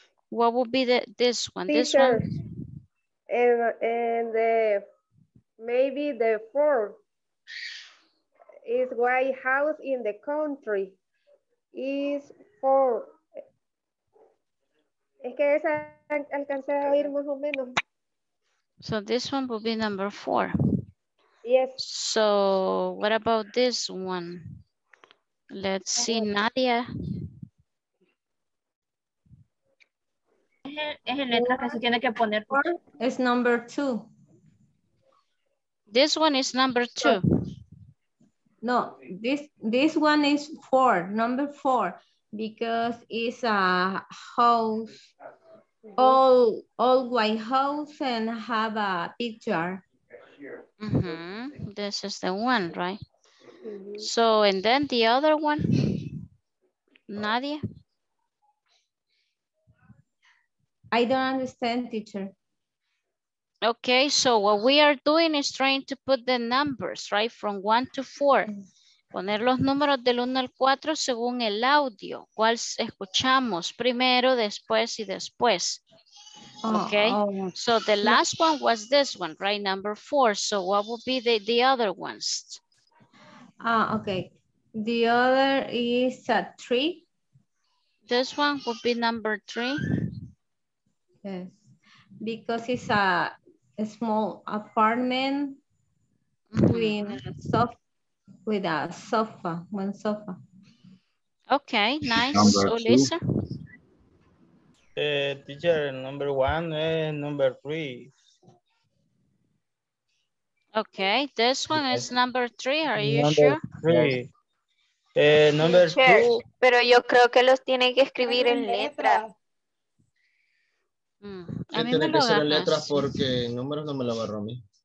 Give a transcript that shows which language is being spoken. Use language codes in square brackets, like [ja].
[en] What would be the this one? Teacher, this one. And maybe the four is white house in the country. Is four. [es] Es que esa alcancé a oír más o menos. [en] So this one will be number four. Yes. So what about this one? Let's see, Nadia. Es number two. This one is number two. No, this one is four, number four, because it's a house, all white house, and have a picture. Mm-hmm. This is the one, right? Mm-hmm. So, and then the other one, Nadia? I don't understand, teacher. Okay, so what we are doing is trying to put the numbers, right, from 1 to 4. [es] Poner los números del 1 al 4 según el audio. ¿Cuál escuchamos primero, después y después? [en] Okay, so the last one was this one, right, number four. So what would be the other ones? Okay, the other is a tree. This one would be number three. Yes, because it's a small apartment with a sofa, one sofa. Okay, nice. So, Lisa? Teacher, number one and number three. Okay, this one is number three, are you number sure? Number three. Number two. [es] Pero yo creo que los tiene que escribir en letra. A mí tiene me que lo ser en letras porque en números no me lo agarró a mí.